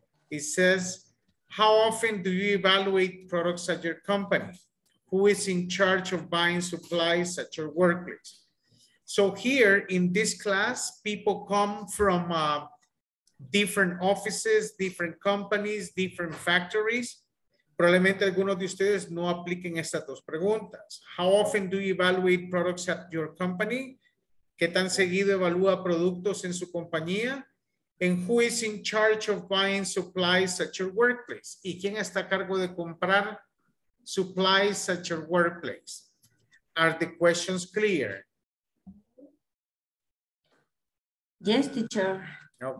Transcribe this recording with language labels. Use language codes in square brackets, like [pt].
[en] It says, how often do you evaluate products at your company? Who is in charge of buying supplies at your workplace? So here in this class, people come from different offices, different companies, different factories. [es] Probablemente algunos de ustedes no apliquen estas dos preguntas. [en] How often do you evaluate products at your company? [es] ¿Qué tan seguido evalúa productos en su compañía? [en] And who is in charge of buying supplies at your workplace? [es] ¿Y quién está a cargo de comprar [en] supplies at your workplace? Are the questions clear? Yes, teacher. Okay.